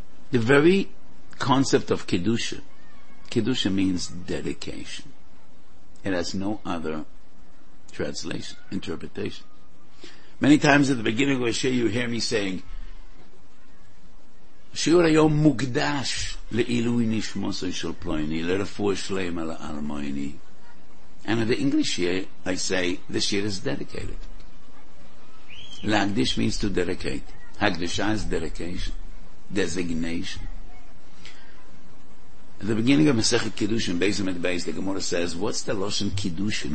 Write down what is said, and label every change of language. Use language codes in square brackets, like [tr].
[en] The very concept of kedusha. Kedusha means dedication. It has no other translation, interpretation. Many times at the beginning of a shiur, you hear me saying, [he] שיעור היום מוקדש לעילוי נשמוסו של פלויני, לרפואה שלמה לאלמוני. [en] And in the English here, I say, this year is dedicated. Lagdish means to dedicate. Hagdisha is dedication, designation. At the beginning of Masechet Kiddushin, Beis Amed Beis, the Gemara says, what's the Loshon Kiddushin?